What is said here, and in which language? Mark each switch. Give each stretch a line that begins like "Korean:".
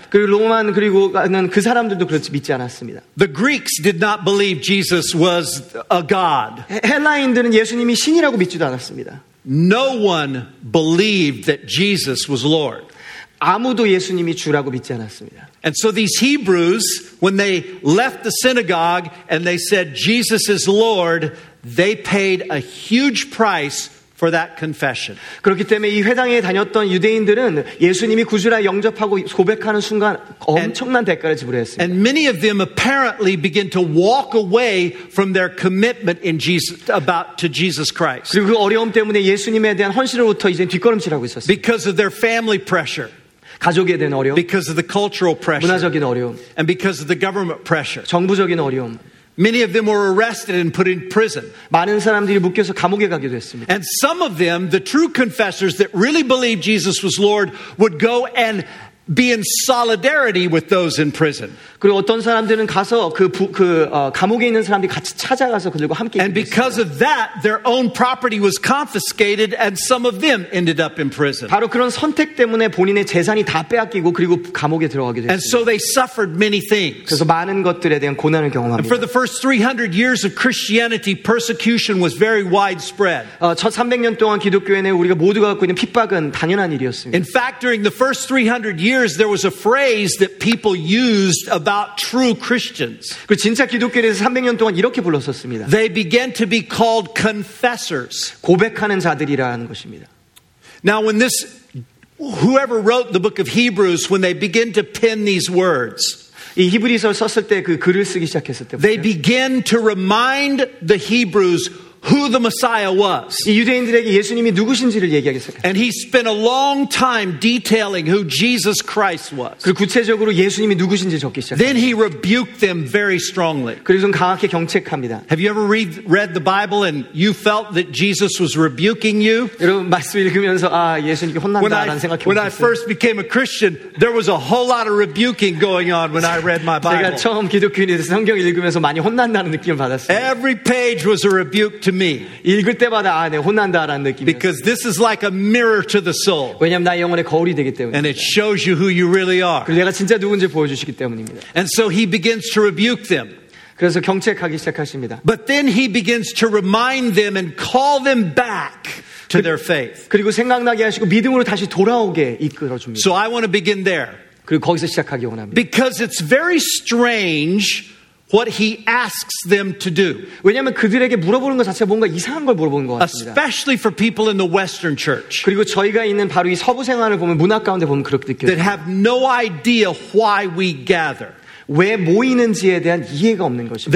Korean: 그리고 로만 그리고는 그 사람들도 그렇지 믿지 않았습니다.
English: The Greeks did not believe Jesus was a god.
Korean: 헬라인들은 예수님이 신이라고 믿지도 않았습니다.
English: No one believed that Jesus was Lord.
Korean: 아무도 예수님이 주라고 믿지 않았습니다.
English: And so these Hebrews when they left the synagogue and they said Jesus is Lord, they paid a huge price for that confession.
Korean: 그렇기 때문에 이 회당에 다녔던 유대인들은 예수님이 구주라 영접하고 고백하는 순간 엄청난 대가를 지불했습니다.
English: And many of them apparently begin to walk away from their commitment in Jesus about to Jesus Christ.
Korean: 그리고 그 어려움 때문에 예수님에 대한 헌신으로부터 이제 뒷걸음질하고 있었어요.
English: Because of their family pressure.
Korean: 가족에 대한 어려움.
English: Because of the cultural pressure.
Korean: 문화적인 어려움.
English: And because of the government pressure.
Korean: 정부적인 어려움.
English: Many of them were arrested and put in prison.
Korean: 많은 사람들이 묶여서 감옥에 가기도 했습니다.
English: And some of them, the true confessors that really believed Jesus was Lord, would go and be in solidarity with those in prison.
Korean: 그리고 어떤 사람들은 가서 감옥에 있는 사람들이 같이 찾아가서 그들과 함께
English: And because of that, their own property was confiscated and some of them ended up in prison.
Korean: 바로 그런 선택 때문에 본인의 재산이 다 빼앗기고 그리고 감옥에 들어가게 됐어요.
English: And so they suffered many things.
Korean: 그래서 많은 것들에 대한 고난을 경험합니다.
English: For the first 300 years of Christianity, persecution was very widespread.
Korean: 첫 300년 동안 기독교에는 우리가 모두가 갖고 있는 핍박은 당연한 일이었습니다.
English: In fact, during the first 300 years there was a phrase that people used about true Christians.
Korean: 그 진짜 기독교인들은 300년 동안 이렇게 불렀었습니다.
English: They began to be called confessors.
Korean: 고백하는 자들이라는 것입니다.
English: Now when this whoever wrote the book of Hebrews when they begin to pen these words.
Korean: 이 히브리서 썼을 때 그 글을 쓰기 시작했을 때
English: They began to remind the Hebrews who the Messiah was.
Korean: 이 유대인들에게 예수님이 누구신지를 얘기하기 시작했어요.
English: And he spent a long time detailing who Jesus Christ was.
Korean: 그 구체적으로 예수님이 누구신지 적기 시작했어요.
English: Then he rebuked them very strongly.
Korean: 그리고 좀 강하게 경책합니다.
English: Have you ever read the Bible and you felt that Jesus was rebuking you?
Korean: 여러분 말씀 읽으면서 아 예수님이 혼난다라는 생각이 들었어요.
English: When I first became a Christian, there was a whole lot of rebuking going on when I read my Bible.
Korean: 제가 처음 기독교인이 돼서 성경을 읽으면서 많이 혼난다는 느낌을 받았어요.
English: Every page was a rebuke to me.
Korean: 읽을 때마다 아, 네, 혼난다라는 느낌.
English: Because this is like a mirror to the soul.
Korean: 왜냐면 나의 영혼의 거울이 되기 때문에.
English: And it shows you who you really are.
Korean: 그리고 내가 진짜 누군지 보여주시기 때문입니다.
English: And so he begins to rebuke them.
Korean: 그래서 경책하기 시작하십니다.
English: But then he begins to remind them and call them back to their faith.
Korean: 그리고 생각나게 하시고 믿음으로 다시 돌아오게 이끌어 줍니다.
English: So I want to begin there.
Korean: 그리고 거기서 시작하기 원합니다.
English: Because it's very strange what he asks them to do.
Korean: 왜냐면 그들에게 물어보는 것 자체가 뭔가 이상한 걸 물어보는 것 같습니다.
English: Especially for people in the Western church.
Korean: 그리고 저희가 있는 바로 이 서부 생활을 보면 문화 가운데 보면 그렇게 느껴져요.
English: That have no idea why we gather.
Korean: 왜 모이는지에 대한 이해가 없는 것입니다.